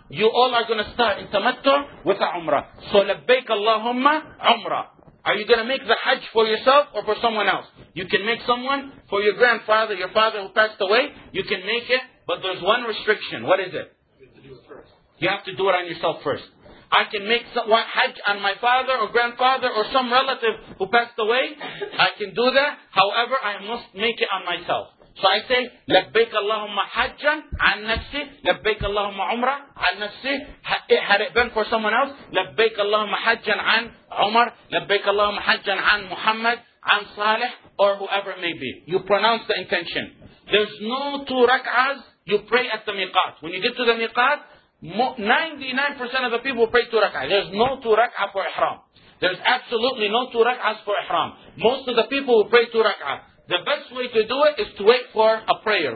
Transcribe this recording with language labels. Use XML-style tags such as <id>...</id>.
<en>You all are going to start in tamattu' with a umrah.</en> <ar>So لَبَّيْكَ اللَّهُمَّ عُمْرَة.</ar> <en>Are you going to make the hajj for yourself or for someone else? You can make someone for your grandfather, your father who passed away. You can make it, but there's one restriction. What is it? You have to do it first. You have to do it on yourself first. I can make some hajj on my father or grandfather or some relative who passed away. I can do that. However, I must make it on myself. So I say,</en> <ar>لَبَّيْكَ اللَّهُمَّ حَجًّا عَنْ نَفْسِي لَبَّيْكَ اللَّهُمَّ عُمْرًا عَنْ نَفْسِي.</ar> <en>Had it been for someone else,</en> <ar>لَبَّيْكَ اللَّهُمَّ حَجًّا عَنْ عُمَرْ لَبَّيْكَ اللَّهُمَّ حَجًّا عَنْ مُحَمَّدْ عَنْ صَالِحْ.</ar> <en>Or whoever it may be. You pronounce the intention. There's no two rak'ahs. You pray at the miqat. When you get to the miqat, 99% of the people pray two rak'ahs. There's no two rak'ahs for ihram. There's absolutely no two rak'ahs for ihram. Most of the people will pray two rak'ahs. The best way to do it is to wait for a prayer.</en>